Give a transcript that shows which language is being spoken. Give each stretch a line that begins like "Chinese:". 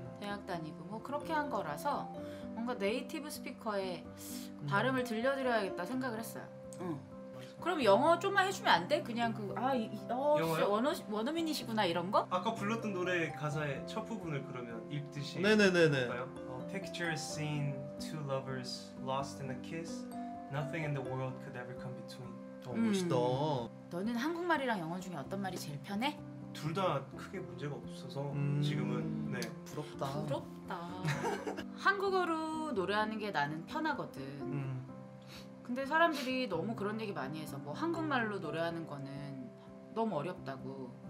Korean: 대학 다니고 뭐 그렇게 한 거라서 뭔가 네이티브 스피커의 발음을 들려드려야겠다 생각을 했어요. 그럼 영어 좀만 해주면 안 돼? 그냥 그 아 영어 원어민이시구나 이런 거? 아까 불렀던 노래 가사의 첫 부분을 그러면 읽듯이. 네네네네.
English: Picture a scene, two lovers lost in a kiss. Nothing in the world could ever come between.
Korean: 멋있다. 너는 한국말이랑 영어 중에 어떤 말이 제일 편해? 둘 다 크게 문제가 없어서 지금은 네. 부럽다. 부럽다. 한국어로 노래하는 게 나는 편하거든. 근데 사람들이 너무 그런 얘기 많이 해서 뭐 한국말로 노래하는 거는 너무 어렵다고.